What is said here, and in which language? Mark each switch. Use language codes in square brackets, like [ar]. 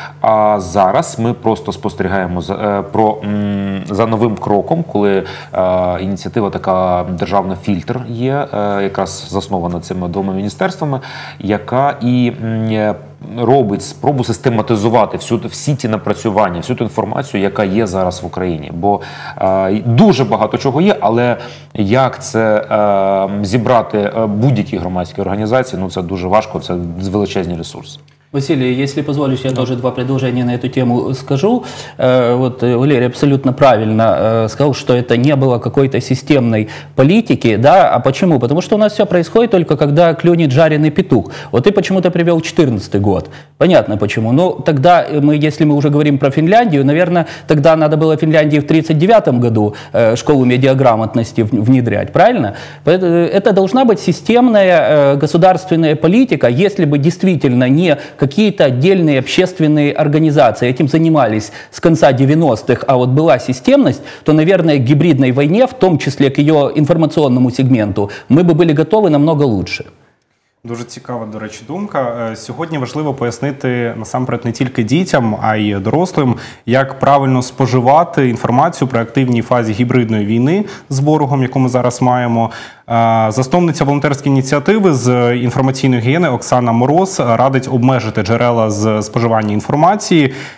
[uk] А зараз ми просто спостерігаємо за новим кроком, коли ініціатива така «Державна фільтр» є, якраз заснована цими двома міністерствами, яка і робить спробу систематизувати всі ті напрацювання, всю ту інформацію, яка є зараз в Україні. Бо дуже багато чого є, але як це зібрати будь-які громадські організації, ну це дуже важко, це величезні ресурси. [ru] Василий, если позволишь, я тоже два предложения на эту тему скажу. Вот Валерий абсолютно правильно сказал, что это не было какой-то системной политики. Да? А почему? Потому что у нас все происходит только когда клюнет жареный петух. Вот ты почему-то привел 2014 год. Понятно почему. Но тогда, если мы уже говорим про Финляндию, наверное, тогда надо было Финляндии в 1939 году школу медиаграмотности внедрять. Правильно? Это должна быть системная государственная политика, если бы действительно не какие-то отдельные общественные организации этим занимались с конца 90-х, а вот была системность, то, наверное, к гибридной войне, в том числе к ее информационному сегменту, мы бы были готовы намного лучше. [uk] Дуже цікава, до речі, думка. Сьогодні важливо пояснити, насамперед, не тільки дітям, а й дорослим, як правильно споживати інформацію про активні фази гібридної війни з ворогом, яку ми зараз маємо. Засновниця волонтерської ініціативи з інформаційної гігієни Оксана Мороз радить обмежити джерела з споживання інформації.